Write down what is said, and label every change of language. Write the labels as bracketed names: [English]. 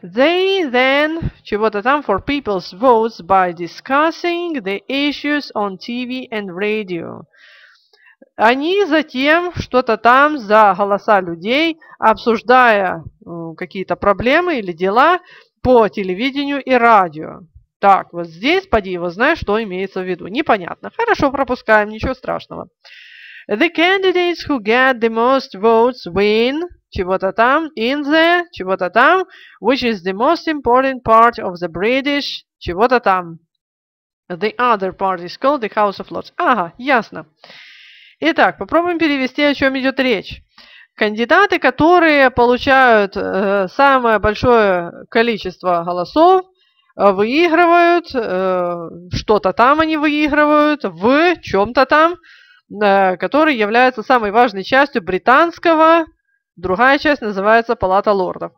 [English] They then, [Russian] чего-то там, [English] for people's votes by discussing the issues on TV and radio. [Russian] Они затем что-то там за голоса людей, обсуждая какие-то проблемы или дела по телевидению и радио. Так, вот здесь, поди его, знаешь, что имеется в виду. Непонятно. Хорошо, пропускаем, ничего страшного. [English] The candidates who get the most votes win, [Russian] чего-то там, [English] in the, чего-то там, which is the most important part of the British, чего-то там. The other part is called the House of Lords. [Russian] Ага, ясно. Итак, попробуем перевести, о чем идет речь. Кандидаты, которые получают самое большое количество голосов, выигрывают, что-то там они выигрывают, в чем-то там, который является самой важной частью британского, другая часть называется Палата лордов.